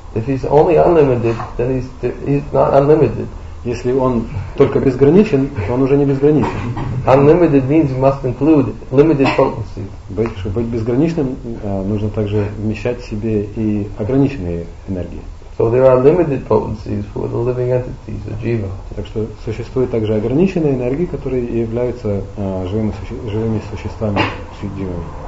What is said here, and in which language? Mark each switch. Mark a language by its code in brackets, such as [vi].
[en] If he's only unlimited, then he's not unlimited. [ru] Если он только безграничен, то он уже не безграничен. [en] Unlimited means he must include limited potency. [ru] Чтобы быть безграничным, нужно также вмещать в себе и ограниченные энергии. [en] So there are limited potencies for the living entities, jiva. [ru] Так что существуют также ограниченные энергии, которые являются живыми существами, дживами.